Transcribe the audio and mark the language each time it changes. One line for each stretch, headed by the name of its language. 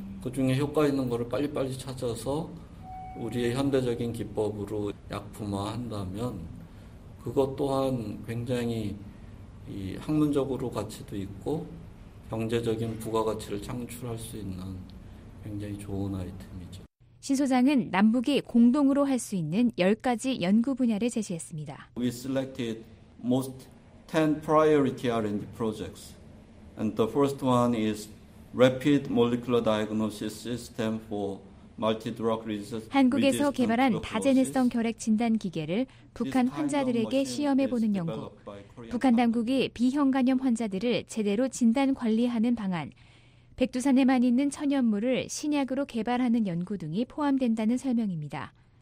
Korean: 그중에 효과 있는 거를 빨리빨리 찾아서 우리의 현대적인 기법으로 약품화한다면 그것 또한 굉장히 이 학문적으로 가치도 있고 경제적인 부가가치를 창출할 수 있는 굉장히 좋은 아이템이죠. 신 소장은 남북이 공동으로 할 수 있는 10가지 연구 분야를 제시했습니다.
English: We selected most 10 priority R&D projects. And the first one is rapid molecular diagnosis system for
Korean: 한국에서 개발한 다재내성 결핵 진단 기계를 북한 환자들에게 시험해 보는 연구. 북한 당국이 비형 간염 환자들을 제대로 진단 관리하는 방안, 백두산에만 있는 천연물을 신약으로 개발하는 연구 등이 포함된다는 설명입니다.